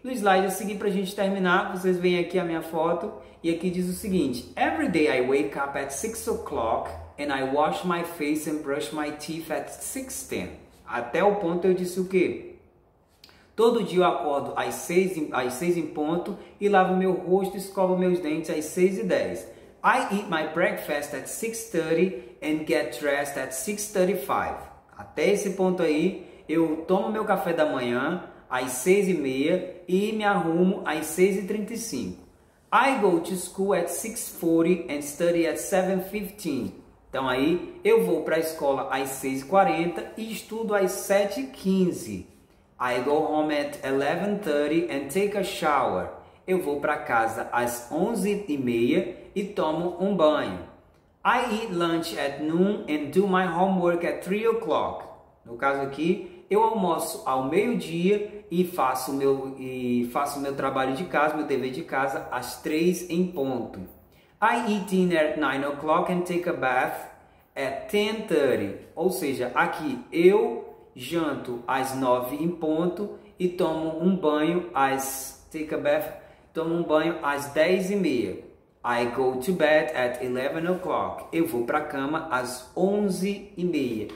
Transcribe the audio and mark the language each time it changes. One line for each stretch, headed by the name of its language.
Portuguese: No slide a seguir, para a gente terminar, vocês veem aqui a minha foto, e aqui diz o seguinte:
English: every day I wake up at 6 o'clock and I wash my face and brush my teeth at 6:10.
Portuguese: Até o ponto eu disse o quê? Todo dia eu acordo às 6 em ponto e lavo meu rosto e escovo meus dentes às 6:10.
English: I eat my breakfast at 6:30 and get dressed at 6:35.
Portuguese: Até esse ponto aí, eu tomo meu café da manhã às 6:30 e me arrumo às 6:35.
English: I go to school at 6:40 and study at 7:15.
Portuguese: Então aí, eu vou para a escola às 6:40 e estudo às 7:15.
English: I go home at 11:30 and take a shower.
Portuguese: Eu vou para casa às 11:30 e tomo um banho.
English: I eat lunch at noon and do my homework at 3 o'clock.
Portuguese: No caso aqui, eu almoço ao meio-dia e faço meu trabalho de casa, meu dever de casa, às 3 em ponto.
English: I eat dinner at 9 o'clock and take a bath at 10:30.
Portuguese: Ou seja, aqui eu janto às 9 em ponto e tomo um banho às tomo um banho às 10:30.
English: I go to bed at 11 o'clock.
Portuguese: Eu vou para a cama às 11:30.